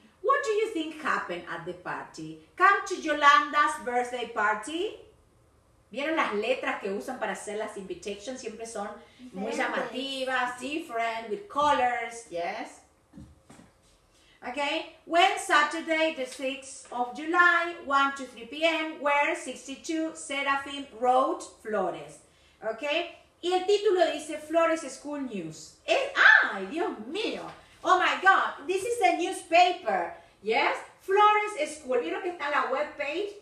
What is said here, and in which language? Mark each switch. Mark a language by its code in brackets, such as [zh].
[en] What do you think happened at the party? Come to Yolanda's birthday party. [es] ¿Vieron las letras que usan para hacer las invitations? Siempre son muy llamativas, [en] different, with colors, yes. Okay, when Saturday, the 6th of July, 1 to 3 p.m., where 62 Seraphim wrote Flores. [es] Okay, y el título dice Flores School News. ¡Ay, Dios mío! [en] Oh, my God, this is a newspaper, yes. [es] Flores School, ¿vieron que está la web page?